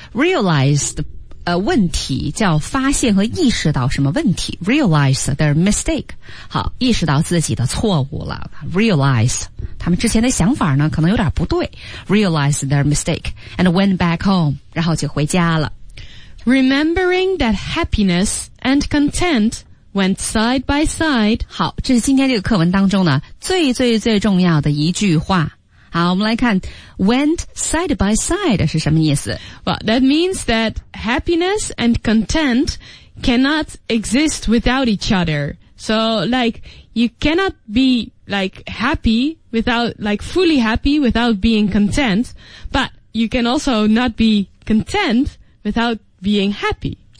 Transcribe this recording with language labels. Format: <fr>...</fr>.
<zh>Realized 问题叫发现和意识到什么问题 ,</zh> <en>realize their mistake,</en> <zh>好意识到自己的错误了 ,realize, 他们之前的想法呢可能有点不对 ,realize their mistake,</zh> <en>and went back home,</en> <zh>然后就回家了。</zh> <en>Remembering that happiness and content went side by side,</en> <zh>好这是今天这个课文当中呢最最最重要的一句话。好我们来看</zh> <en>went side by side</en> <zh>是什么意思</zh> <en>Well, that means that happiness and content cannot exist without each other. So, like, you cannot be, like, happy without, like, fully happy without being content, but you can also not be content without being happy.</en>